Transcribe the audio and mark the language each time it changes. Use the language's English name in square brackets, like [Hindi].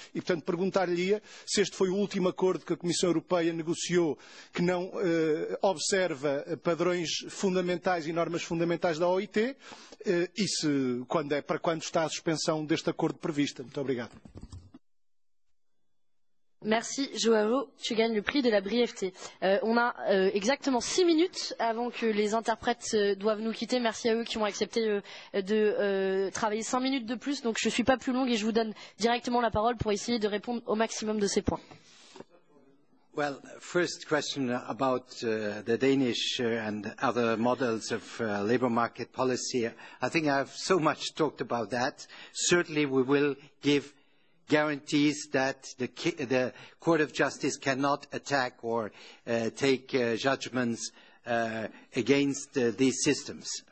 [Portuguese] E, portanto, perguntar-lhe-ia se este foi o último acordo que a Comissão Europeia negociou que não observa padrões fundamentais e normas fundamentais da OIT, e se, quando é, para quando está a suspensão deste acordo prevista. Muito obrigado. [French] Merci, Joao. Tu gagnes le prix de la brièveté. On a exactement 6 minutes avant que les interprètes doivent nous quitter. Merci à eux qui ont accepté de travailler 5 minutes de plus. Donc, je ne suis pas plus longue et je vous donne directement la parole pour essayer de répondre au maximum de ces points. [English] Well, first question about the Danish and other models of labor market policy. I think I've so much talked about that. Certainly, we will give guarantees that the Court of Justice cannot attack or take judgments against these systems.